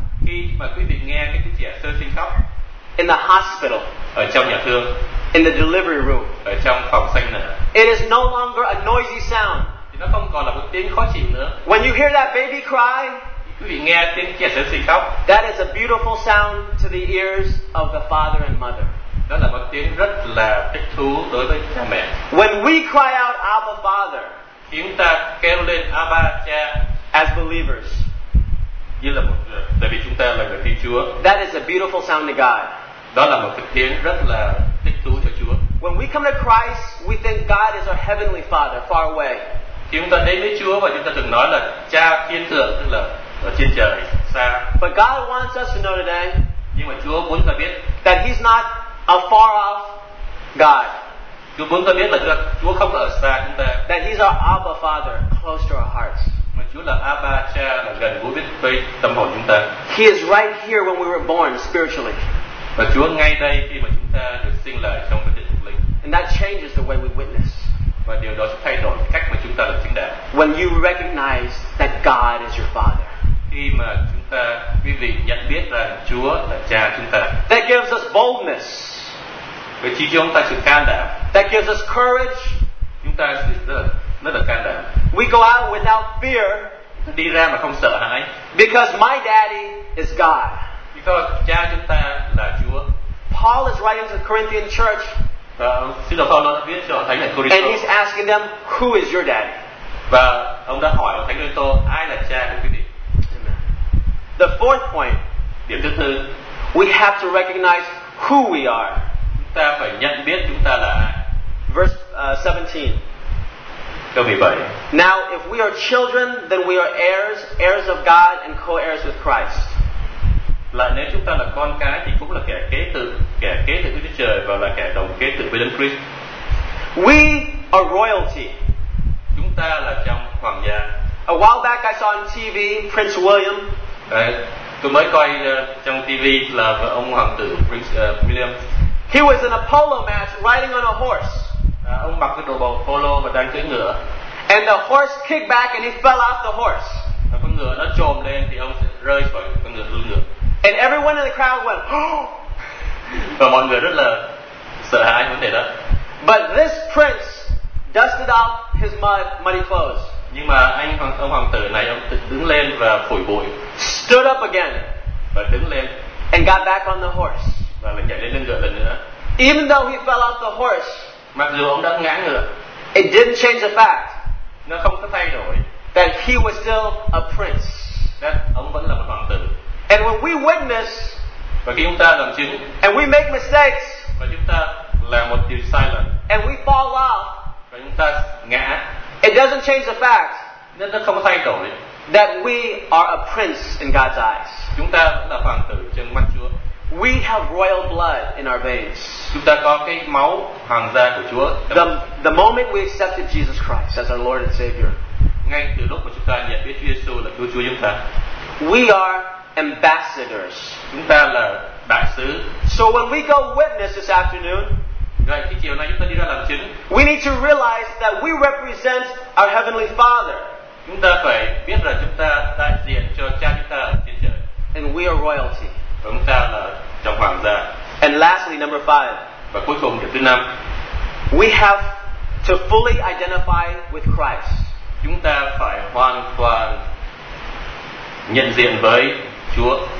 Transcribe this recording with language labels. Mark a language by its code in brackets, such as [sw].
[vi] Khi mà quý vị nghe cái trẻ sơ sinh khóc. [en] In the hospital. [vi] Ở trong nhà thương. [en] In the delivery room. [vi] Ở trong phòng sinh nữa. [en] It is no longer a noisy sound. [vi] Thì nó không còn là một tiếng khó chịu nữa. [en] When you hear that baby cry. [vi] Quý vị nghe tiếng trẻ sơ sinh khóc. [en] That is a beautiful sound to the ears of the father and mother. [vi] Đó là một tiếng rất là thích thú đối với cha mẹ. [en] When we cry out Abba Father. [vi] Chúng ta kêu lên Abba Cha. [en] As believers. [vi] Như là một người, tại vì chúng ta là người tin Chúa. [en] That is a beautiful sound to God. [vi] Đó là một cái tiếng rất là thích thú cho Chúa. [en] When we come to Christ, we think God is our heavenly Father, far away. [vi] Khi chúng ta đến với Chúa và chúng ta thường nói là Cha thiên thượng, tức là ở trên trời xa. [en] But God wants us to know today. [vi] Nhưng mà Chúa muốn ta biết. [en] That He's not a far off God. [vi] Chúa muốn ta biết là Chúa không ở xa chúng ta. [en] That He's our Abba Father, close to our hearts. [vi] Chúa là Abba Cha, là gần gũi biết với tâm hồn chúng ta. [en] He is right here when we were born spiritually. [vi] Và Chúa ngay đây khi mà chúng ta được sinh lại trong cái thể thuộc linh. [en] And that changes the way we witness. [vi] Và điều đó sẽ thay đổi cách mà chúng ta được chứng đạo. [en] When you recognize that God is your Father. [vi] Khi mà chúng ta quý vị nhận biết rằng Chúa là Cha chúng ta. [en] That gives us boldness. [vi] Và chỉ cho chúng ta sự can đảm. [en] That gives us courage. [vi] Chúng ta sẽ rất là can đảm. [en] We go out without fear. [vi] Đi ra mà không sợ hãi. [en] Because my daddy is God. Because [vi] cha chúng ta là Chúa. [en] Paul is writing to the Corinthian church. [vi] Xin lỗi, Paul viết cho thánh ở Corinto. [en] And he's asking them, who is your daddy? [vi] Và ông đã hỏi thánh Corinto, ai là cha của quý vị? [en] The fourth point. [vi] Điểm thứ tư. [en] We have to recognize who we are. [vi] Chúng ta phải nhận biết chúng ta là ai. [en] Verse 17. [vi] Câu 17. [en] Now, if we are children, then we are heirs, heirs of God and co-heirs with Christ. [vi] Là nếu chúng ta là con cái thì cũng là kẻ kế tự của Đức Chúa Trời và là kẻ đồng kế tự với Đấng Christ. [en] We are royalty. [vi] Chúng ta là trong hoàng gia. [en] A while back, I saw on TV Prince William. [vi] Tôi mới coi trong TV là ông hoàng tử Prince William. [en] He was in a polo match, riding on a horse. [vi] Ông mặc cái đồ bầu polo và đang cưỡi ngựa. [en] And the horse kicked back and he fell off the horse. [vi] Và con ngựa nó chồm lên thì ông rơi khỏi con ngựa xuống ngựa. [en] And everyone in the crowd went, oh! [vi] Và mọi người rất là sợ hãi vấn đề đó. [en] But this prince dusted off his muddy clothes. [vi] Nhưng mà ông hoàng tử này ông đứng lên và phủi bụi. [en] Stood up again. [vi] Và đứng lên. [en] And got back on the horse. [vi] Và lại nhảy lên ngựa lần nữa. [en] Even though he fell off the horse, [vi] mặc dù ông đã ngã ngựa, [en] it didn't change the fact, [vi] nó không có thay đổi, [en] that he was still a prince. [vi] Đấy, ông vẫn là một hoàng tử. [en] And when we witness, [vi] và khi chúng ta làm chứng, [en] and we make mistakes, [vi] và chúng ta làm một điều sai lầm, [en] and we fall off, [vi] và chúng ta ngã, [en] it doesn't change the fact, [vi] nên nó không có thay đổi, [en] that we are a prince in God's eyes. [vi] Chúng ta là hoàng tử trong mắt Chúa. [en] We have royal blood in our veins. [vi] Chúng ta có cái máu hoàng gia của Chúa. [en] The moment we accepted Jesus Christ as our Lord and Savior, [vi] ngay từ lúc mà chúng ta nhận biết Chúa Giêsu là Chúa Chúa chúng ta, [en] we are ambassadors. [vi] Chúng ta là đại sứ. [en] So when we go witness this afternoon, [vi] rồi khi chiều nay chúng ta đi ra làm chứng, [en] we need to realize that we represent our Heavenly Father. [vi] Chúng ta phải biết rằng chúng ta đại diện cho Cha chúng ta trên trời. [en] And we are royalty. [vi] Chúng ta là trong hoàng gia. [en] And lastly, number five. [vi] Và cuối cùng, điều thứ năm. [en] We have to fully identify with Christ. [vi] Chúng ta phải hoàn toàn nhận diện với Chúa.